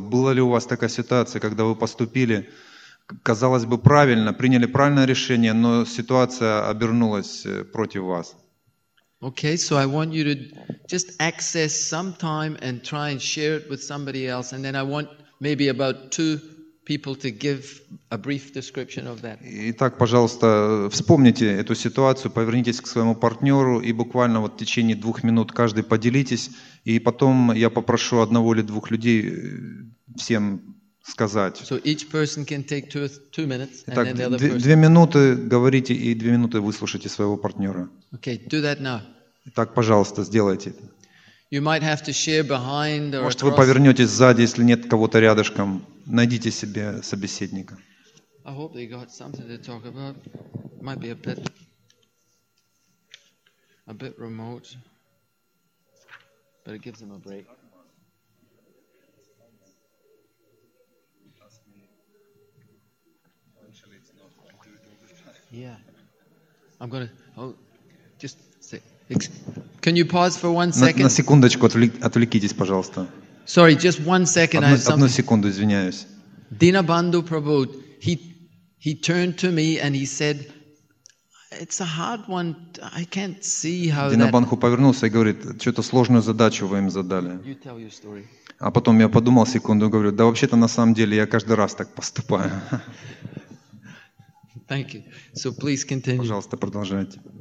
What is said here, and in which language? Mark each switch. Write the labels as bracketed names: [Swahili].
[Russian] Была ли у вас такая ситуация, когда вы поступили, казалось бы, правильно, приняли правильное решение, но ситуация обернулась против вас? [English] Okay, so I want you to just access some time and try and share it with somebody else, and then I want maybe about 2 people to give a brief description of that. [Russian] Итак, пожалуйста, вспомните эту ситуацию, повернитесь к своему партнеру и буквально вот в течение 2 минут каждый поделитесь, и потом я попрошу одного или двух людей всем сказать. [English] So each person can take 2 minutes, and [Russian] итак, [English] then the other person. [Russian] 2 минуты говорите и 2 минуты выслушайте своего партнера. [English] Okay, do that now. [Russian] Итак, пожалуйста, сделайте это. [English] You might have to share behind or [Russian] может, вы повернетесь сзади, если нет кого-то рядышком. Найдите себе собеседника. [English] I hope they got something to talk about. Might be a bit remote. But it gives them a break. Yeah. I'm gonna just say can you pause for 1 second? [Russian] На секундочку отвлекитесь, пожалуйста. [English] Sorry, just 1 second. [Russian] Одну секунду, извиняюсь. [English] Dinabandhu Prabhu, he turned to me and he said, "It's a hard one. I can't see how." [Russian] Dinabandhu повернулся и говорит, что-то сложную задачу вы им задали. [English] You tell your story. [Russian] А потом я подумал секунду и говорю, да вообще-то на самом деле я каждый раз так поступаю. [English] Thank you. So please continue. [Russian] Пожалуйста, продолжайте.